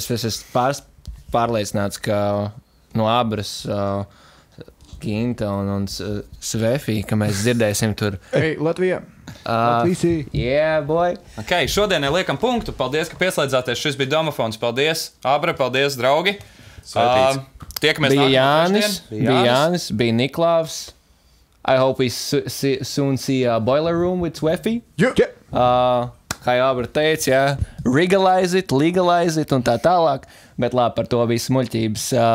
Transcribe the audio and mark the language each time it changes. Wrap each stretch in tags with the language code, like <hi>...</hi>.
<lv>Es esmu pārliecināts, ka no Abras Ginta un Svefī, ka mēs dzirdēsim tur. Hey, Latvijā! Latvijasī!</lv> <en>Yeah, boy!</en> <lv>Ok, šodien liekam punktu. Paldies, ka pieslēdzāties. Šis bija domofons. Paldies, Abra. Paldies, draugi. Sveitīts. Bija Jānis, bija Niklāvs.</lv> <en>I hope we soon see a boiler room with Svefī. Yeah.</en> <lv>Kā jau Abra teica, jā.</lv> <en>Regalize it, legalize it</en> <lv>un tā tālāk. Bet labi, par to visu muļķības.</lv>